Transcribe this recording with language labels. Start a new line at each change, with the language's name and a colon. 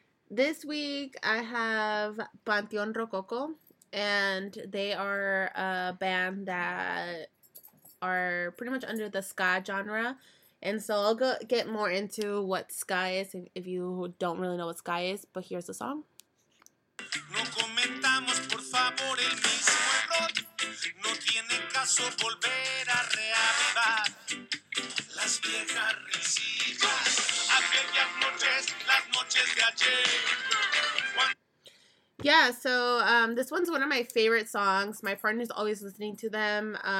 English: This week, I have Panteón Rococo. And they are a band that are pretty much under the ska genre. And so I'll get more into what ska is if you don't really know what ska is. But here's the song.
Spanish: No comentamos, por favor, el mismo error. No tiene caso volver a reavivar las viejas risitas, aquellas noches, las noches de ayer.
English: Yeah, so this one's one of my favorite songs. My partner's always listening to them.